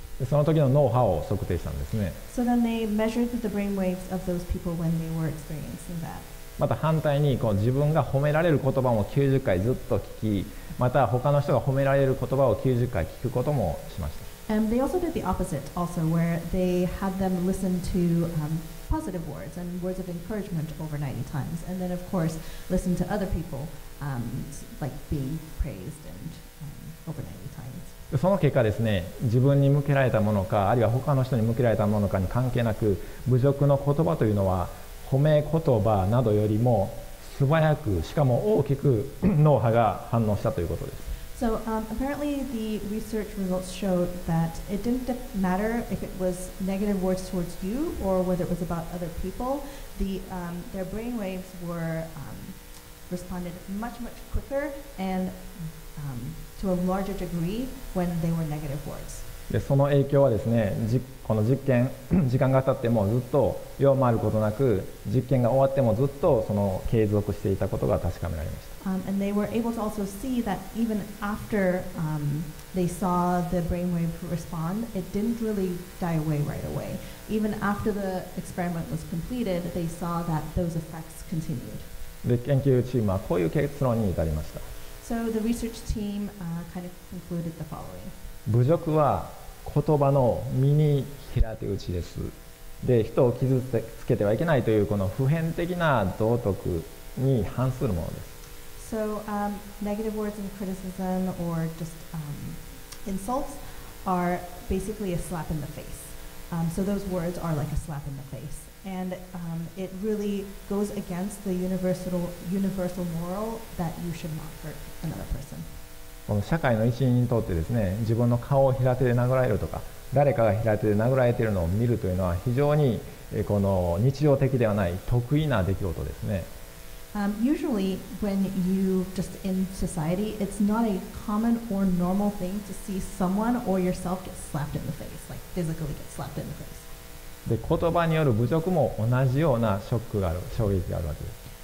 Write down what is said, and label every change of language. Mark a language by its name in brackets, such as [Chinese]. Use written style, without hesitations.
[Japanese] その時の脳波を測定したんですね。 [English] So then they measured the brain waves of those people when they were experiencing that. [Japanese] また反対にこう自分が褒められる言葉も90回ずっと聞き、また他の人が褒められる言葉を90回聞くこともしました。 [English] And they also did the opposite also, where they had them listen to positive words and words of encouragement over 90 times. And then of course listen to other people like being praised and over 90. [Japanese] その結果ですね、自分に向けられたものか、あるいは他の人に向けられたものかに関係なく、侮辱の言葉というのは、褒め言葉などよりも素早く、しかも大きく脳波が反応したということです。 [English] So, apparently the research results showed that it didn't matter if it was negative words towards you or whether it was about other people. Their brain waves were responded much, much quicker andto a larger degree when they were negative words. [Japanese] で、その影響はですね、この実験、時間が経ってもずっと弱まることなく、実験が終わってもずっとその継続していたことが確かめられました。 [English] And they were able to also see that even after they saw the brainwave respond, it didn't really die away right away. Even after the experiment was completed, they saw that those effects continued. [Japanese] で、研究チームはこういう結論に至りました。 [English] So the research team kind of concluded the following. [Japanese] 侮辱は言葉の身に平手打ちです。で、人を傷つけてはいけないというこの普遍的な道徳に反するものです。 [English] So negative words and criticism or just insults are basically a slap in the face. So those words are like a slap in the face. And it really goes against the universal moral that you should not hurt. [Japanese] この社会の一員にとってですね、自分の顔を平手で殴られるとか、誰かが平手で殴られているのを見るというのは非常にこの日常的ではない特異な出来事ですね。 [English] Usually, when you just in society, it's not a common or normal thing to see someone or yourself get slapped in the face, like physically get slapped in the face. [Japanese] で、言葉による侮辱も同じようなショックがある、衝撃があるわけです。